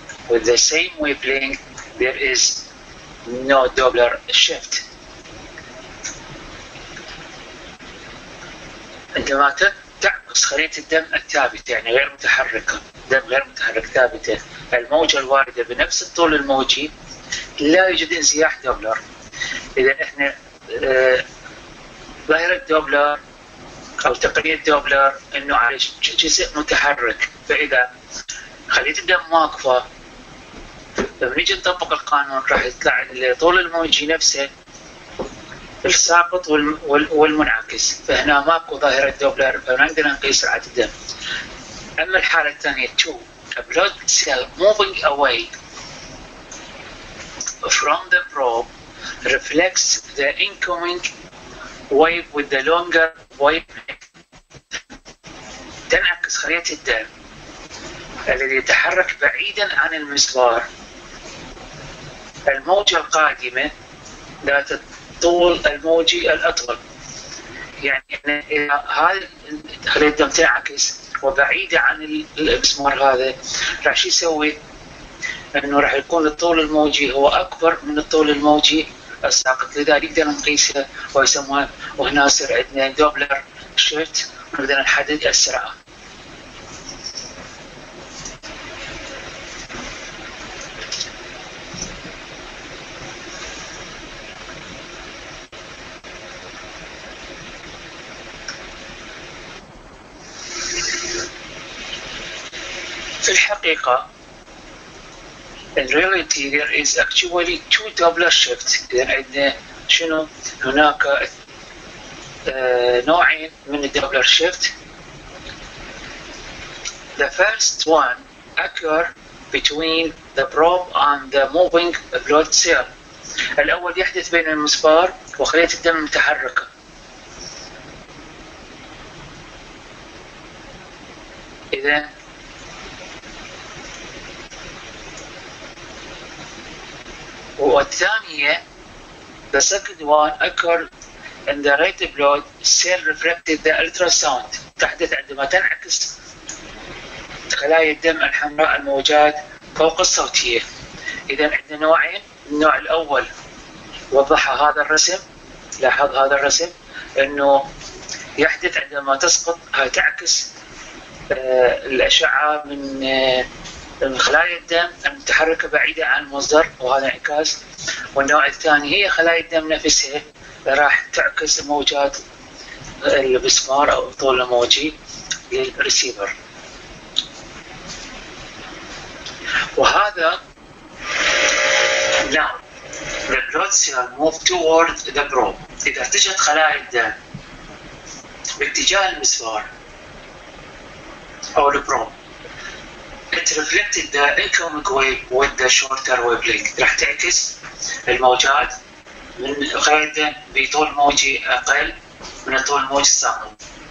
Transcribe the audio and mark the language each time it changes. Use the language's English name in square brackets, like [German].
[English] With the same wavelength, there is no Doppler shift. [Arabic] عندما تعكس خريطة الدم الثابتة، يعني غير متحركة، دم غير متحرك ثابتة، الموجة الواردة بنفس الطول الموجي، لا يوجد انزياح دوبلر. اذا احنا ظاهرة دوبلر او تقنية دوبلر انه على جزء متحرك، فاذا خلية الدم واقفة لما نيجي نطبق القانون راح يطلع طول الموجي نفسه الساقط والمنعكس، فهنا ماكو ظاهرة دوبلر فما نقدر نقيس سرعة الدم. اما الحالة الثانية [English] two blood cell moving away from the probe reflects the incoming wave with the longer wavelength. [Arabic] تنعكس خلية الدم الذي يتحرك بعيدا عن المسبار الموجة القادمة ذات الطول الموجي الأطول. يعني إذا هاي خلية الدم تنعكس وبعيدة عن المسبار هذا راح شو يسوي؟ انه راح يكون الطول الموجي هو اكبر من الطول الموجي الساقط، لذلك نقدر نقيسه ويسموها، وهنا يصير عندنا دوبلر شيفت ونقدر نحدد السرعه. في الحقيقه [English] In reality, there is actually two Doppler shifts. [Arabic] عندنا شنو؟ هناك نوعين من Doppler shift. [English] The first one occur between the probe and the moving blood cell. [Arabic] الأول يحدث بين المسبار وخلية الدم المتحركة. إذا والثانية [English] the second one occur in the red blood cell refracted the ultrasound. [Arabic] تحدث عندما تنعكس خلايا الدم الحمراء الموجات فوق الصوتية. إذا عندنا نوعين، النوع الأول وضح هذا الرسم، لاحظ هذا الرسم أنه يحدث عندما تسقط هاي تعكس الأشعة من خلايا الدم المتحركة بعيدة عن المصدر وهذا انعكاس، والنوع الثاني هي خلايا الدم نفسها راح تعكس موجات المسمار أو طول الموجي للريسيفر. وهذا نعم [English] the blood cell move toward the probe. [Arabic] إذا اتجهت خلايا الدم باتجاه المسمار أو البروب [English] it reflected the incoming wave with the shorter wavelength. [Arabic] راح تعكس الموجات من غايدة بطول موجي أقل من طول الموج الساقط.